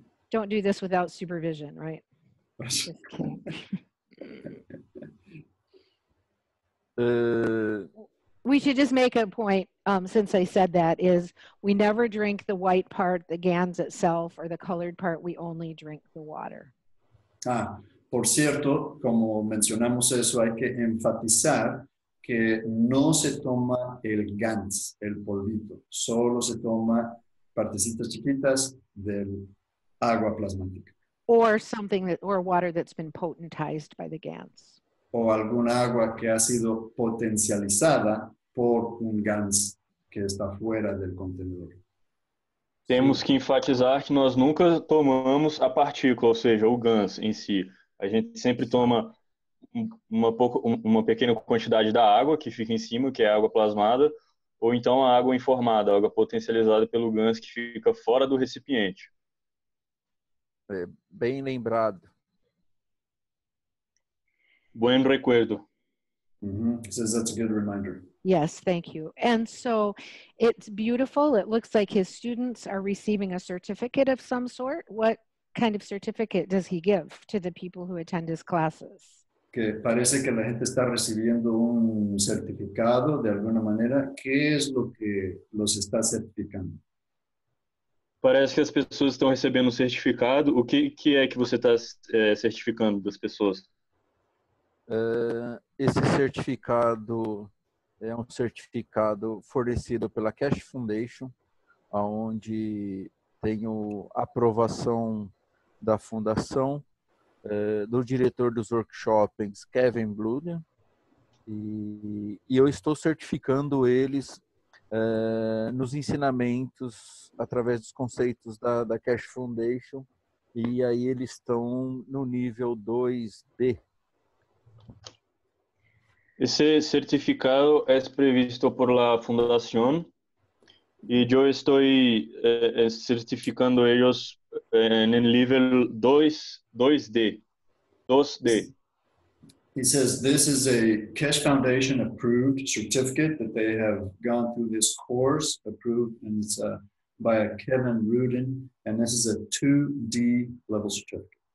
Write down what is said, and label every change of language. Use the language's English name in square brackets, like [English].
[English] Don't do this without supervision, right? Just kidding. We should just make a point, since I said that, is we never drink the white part, the GANS itself, or the colored part. We only drink the water. [Spanish] Ah, por cierto, como mencionamos eso, hay que enfatizar que no se toma el GANS, el polvito. Solo se toma partecitas chiquitas del agua plasmática. [English] Or something that, or water that's been potentized by the GANS. [Spanish] O alguna agua que ha sido potencializada por un GANS que está fuera del contenedor. [Portuguese] Temos que enfatizar que nós nunca tomamos a partícula, ou seja, o GANS em si. A gente sempre toma uma pequena quantidade da água que fica em cima, que é a água plasmada, ou então a água informada, a água potencializada pelo GANS que fica fora do recipiente. É bem lembrado. [Spanish] Buen recuerdo. [English] Mm-hmm. Says that's a good reminder. Yes, thank you. And so it's beautiful. It looks like his students are receiving a certificate of some sort. What kind of certificate does he give to the people who attend his classes? [Spanish] Que parece que la gente está recibiendo un certificado de alguna manera. ¿Qué es lo que los está certificando? [Portuguese] Parece que as pessoas estão recebendo um certificado. O que é que você está certificando das pessoas? Esse certificado é um certificado fornecido pela Cash Foundation, onde tem a aprovação da fundação, do diretor dos workshops, Kevin Bluden, e eu estou certificando eles nos ensinamentos através dos conceitos da Cash Foundation, e aí eles estão no nível 2B. [Spanish] Ese certificado es previsto por la fundación y yo estoy certificando ellos en el nivel 2D. [English] He says this is a Keshe Foundation approved certificate that they have gone through this course approved and it's by Kevin Rudin and this is a 2D level certificate.